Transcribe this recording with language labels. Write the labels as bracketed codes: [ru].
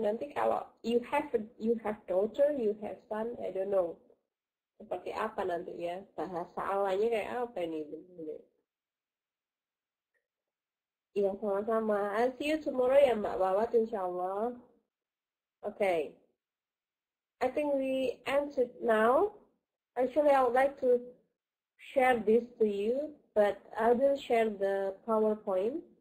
[id] Nanti kalau [en] you have daughter, you have son, I don't know. [id] Seperti apa nanti ya? Bahasa awalnya kayak apa ini? Iya, sama-sama. [en] I'll see you tomorrow ya, Mbak Wawat, insya Allah. Okay. I think we answered now. Actually, I would like to share this to you, but I will share the PowerPoint.